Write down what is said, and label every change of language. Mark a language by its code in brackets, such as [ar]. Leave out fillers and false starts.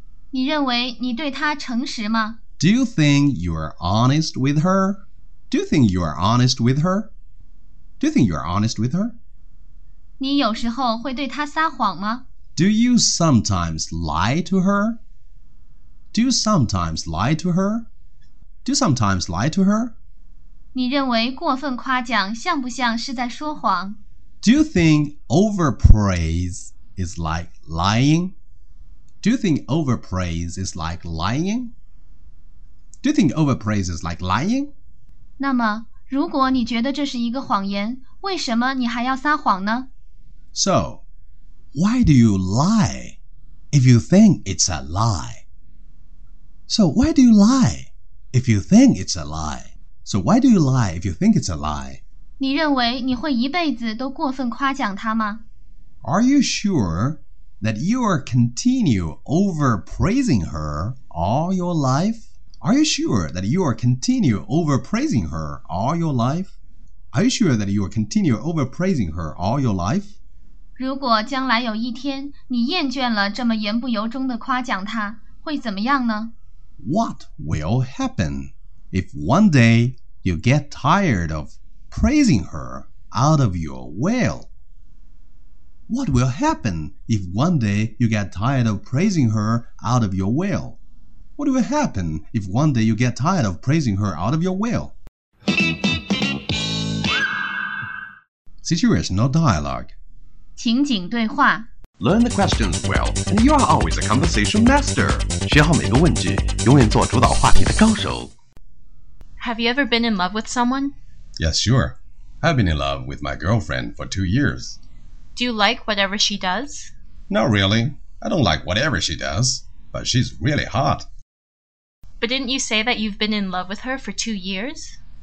[zh] 你认为你对她诚实吗? [en] Do you think you are honest with her? Do you think you are honest with her? Do you think you are honest with her? [zh] 你有时候会对她撒谎吗? [en] Do you sometimes lie to her? Do you sometimes lie to her? Do you sometimes lie to her? [zh] 你认为过分夸奖像不像是在说谎? [en] Do you think overpraise is like lying? Do you think overpraise is like lying? Do you think overpraise is like lying? [zh] 那么,如果你觉得这是一个谎言,为什么你还要撒谎呢? [en] So, why do you lie if you think it's a lie? So, why do you lie if you think it's a lie? So, why do you lie if you think it's a lie? [zh] 你认为你会一辈子都过分夸奖他吗? [en] Are you sure that you are continue overpraising her all your life? Are you sure that you are continue overpraising her all your life? Are you sure that you are continue overpraising her all your life? [zh] 如果将来有一天你厌倦了这么言不由衷的夸奖他，会怎么样呢? [en] What will happen if one day you get tired of praising her out of your will? What will happen if one day you get tired of praising her out of your will? What will happen if one day you get tired of praising her out of your will? Situational dialogue. [zh] 情景对话。 [en] Learn the questions well, and you are always a conversation master. [zh] 学好每个问句，永远做主导话题的高手。 [en] Have you ever been in love with someone? Yes, sure. I've been in love with my girlfriend for 2 years. Do you like whatever she does? Not really. I don't like whatever she does, but she's really hot. But didn't you say that you've been in love with her for 2 years?